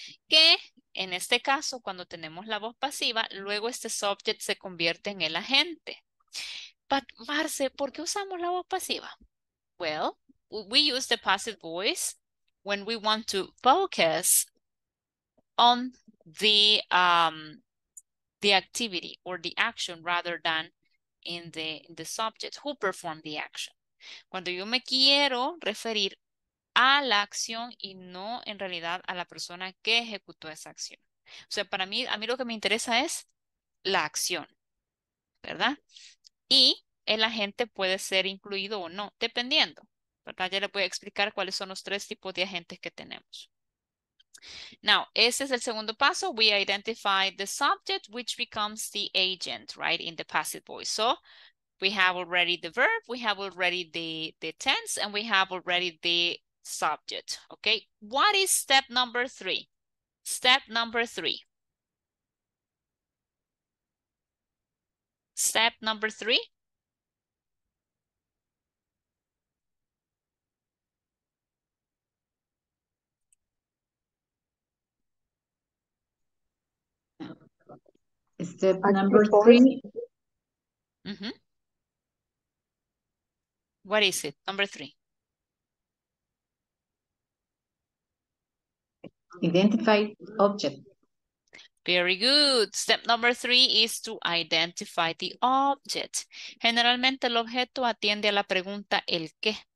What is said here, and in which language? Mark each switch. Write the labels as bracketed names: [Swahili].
[Spanish] Que en este caso, cuando tenemos la voz pasiva, luego este subject se convierte en el agente. [English] But [Spanish] Marce, ¿por qué usamos la voz pasiva? [English] Well, we use the passive voice when we want to focus on the activity or the action rather than in the subject who performed the action. [Spanish] Cuando yo me quiero referir a la acción y no en realidad a la persona que ejecutó esa acción. O sea, para mí, a mí lo que me interesa es la acción, ¿verdad? Y el agente puede ser incluido o no, dependiendo, ¿verdad? Ya le voy a explicar cuáles son los tres tipos de agentes que tenemos. [English] Now, [Spanish] ese es el segundo paso. [English] We identify the subject, which becomes the agent, right, in the passive voice. So, we have already the verb, we have already the tense, and we have already the subject, okay? What is step number 3? Step number 3. Step number 3? Step number 3. What is it? Number 3. Identify object. Very good. Step number three is to identify the object. [Spanish] Generalmente el objeto atiende a la pregunta el qué.